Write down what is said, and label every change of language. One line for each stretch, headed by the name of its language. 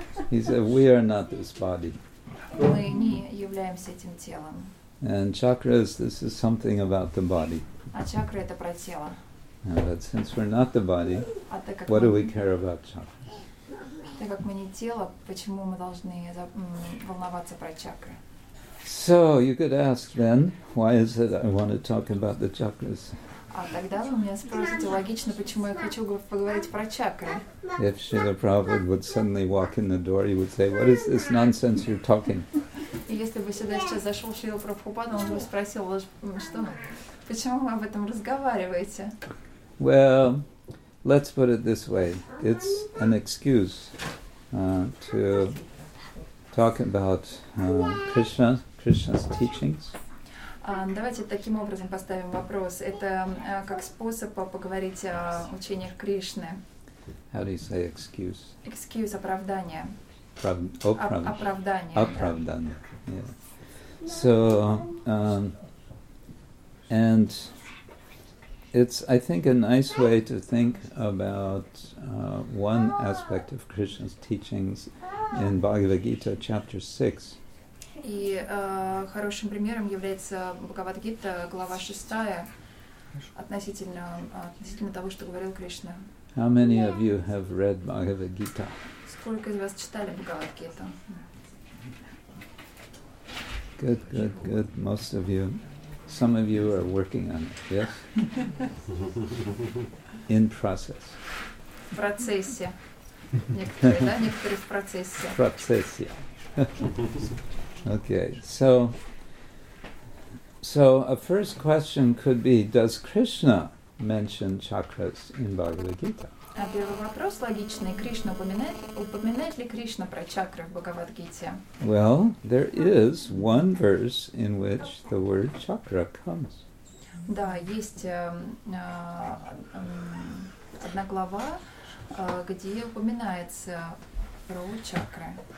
English: He said, we are not this body. And chakras, this is something about the body. But since we're not the body, what do we care about chakras?
Russian: Так как мы не тело, почему мы должны волноваться про чакры?
English: So you could ask then, why is it I want to talk about the chakras?
Russian: А тогда вы меня спросите логично, почему я хочу поговорить про чакры?
English: If Srila Prabhupada would suddenly walk in the door, he would say, "What is this nonsense you're talking?"
Russian: Если бы сюда сейчас зашел Шрила Прабхупада, он бы спросил, что, почему вы об этом разговариваете?
English: Well. Let's put it this way. It's an excuse to talk about Krishna's teachings.
Russian: Давайте таким образом поставим вопрос. Это как способ поговорить о учениях Кришны.
English: How do you say excuse?
Russian: Excuse, оправдание. Оправдание. Оправдание. Yeah.
English: So, and it's, I think, a nice way to think about one aspect of Krishna's teachings in Bhagavad Gita, chapter 6.
Russian: И хорошим примером является Бхагавад Гита, глава 6, относительно того, что говорил Кришна.
English: How many of you have read Bhagavad Gita?
Russian: Сколько из вас читали Бхагавад Гита?
English: Good, good, good. Most of you. Some of you are working on it, yes? In process.
Russian: В процессе. Некоторые в процессе. В процессе.
English: Okay, so a first question could be, does Krishna mention chakras in Bhagavad Gita?
Russian: А первый вопрос логичный. Кришна упоминает ли Кришна про чакры в Бхагавад-гите?
English: Well, there is one verse in which the word chakra comes.
Russian: Да, есть одна глава, где упоминается про чакры.